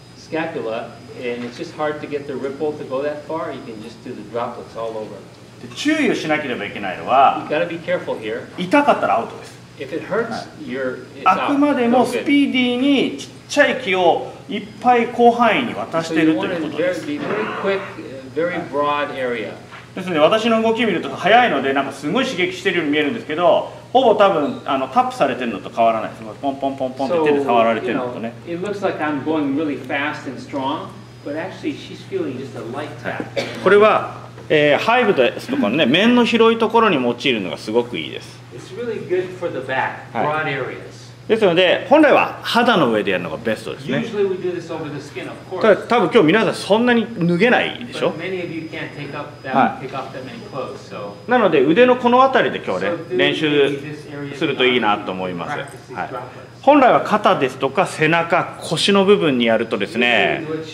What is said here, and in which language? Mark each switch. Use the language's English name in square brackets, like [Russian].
[English] And it's just hard to get the ripple to go that far. You can just do the droplets all over. [Japanese] 注意をしなければいけないのは、 [English] you gotta be careful here. [Japanese] 痛かったらアウトです。 [English] If it hurts, you're [Japanese] あくまでもスピーディーにちっちゃい気をいっぱい広範囲に渡しているということです。 [English] So you want to be very quick, very broad area. [Japanese] ですので私の動きを見ると速いのでなんかすごい刺激しているように見えるんですけど、ほぼ多分タップされてるのと変わらないです。ポンポンポンポンって手で触られてるのとね。 [English] So, it looks like I'm going really fast and strong. But actually, she's feeling just a light tap. [Japanese] これは、ハイブですとかね、面の広いところに用いるのがすごくいいです。 [English] It's really good for the back, broad areas. [Japanese] ですので、本来は肌の上でやるのがベストですね。 [English] Usually we do this over the skin, of course. [Japanese] ただ、多分今日皆さんそんなに脱げないでしょ。 [English] But many of you can't take up that, pick up that many clothes, so. [Japanese] なので、腕のこの辺りで今日ね、練習するといいなと思います。はい。本来は肩ですとか背中、腰の部分にやるとですね、